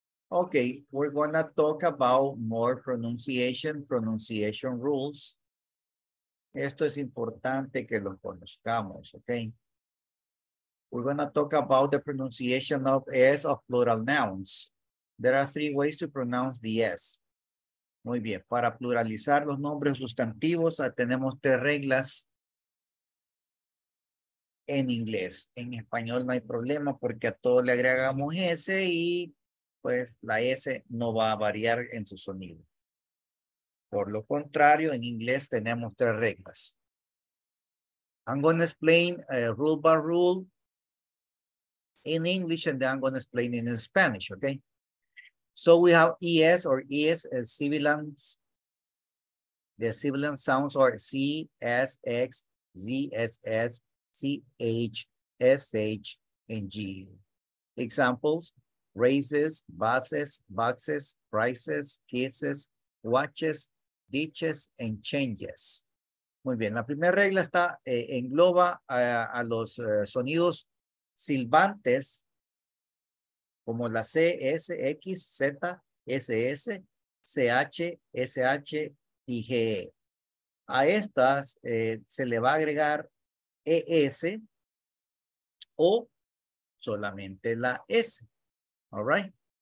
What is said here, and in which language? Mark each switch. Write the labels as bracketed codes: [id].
[en] Okay, we're gonna talk about more pronunciation rules. [es] Esto es importante que lo conozcamos, okay? [en] We're gonna talk about the pronunciation of S of plural nouns. There are three ways to pronounce the S. [es] Muy bien, para pluralizar los nombres sustantivos, tenemos tres reglas en inglés. En español no hay problema porque a todo le agregamos S y pues la S no va a variar en su sonido. Por lo contrario, en inglés tenemos tres reglas. [en] I'm going to explain rule by rule in English and then I'm going to explain in Spanish, okay? So we have ES or ES as sibilants. The sibilant sounds are C, S, X, Z, S, S, C, H, S, H, and G. Examples, races, buses, boxes, prices, kisses, watches, ditches, and changes. [es] Muy bien, la primera regla está, engloba a los sonidos silbantes, como la C, S, X, Z, S, S, CH, SH y GE. A estas se le va a agregar ES o solamente la S. [en] All right.